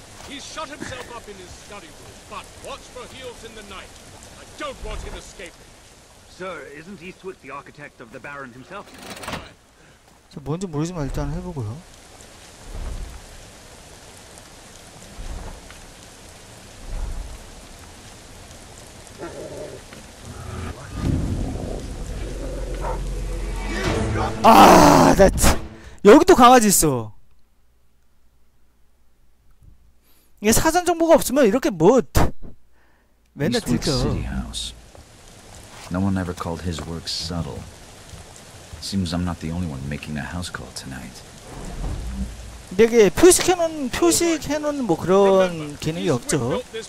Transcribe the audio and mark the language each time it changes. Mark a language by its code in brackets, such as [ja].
[en] He's shut himself up in his study room, but watch for heels in the night. I don't want him escaping. Sir, isn't Eastwick the architect of the Baron himself? [ko] 자, 뭔지 모르지만 일단 해보고요. 아, 나 여기도 강아지 있어. 이게 사전 정보가 없으면 이렇게 못 맨날 들켜. [en] No one ever called his work subtle. Seems I'm not the only one making a house call tonight. [ko] 되게 표식해놓은 뭐 그런 기능이 없죠.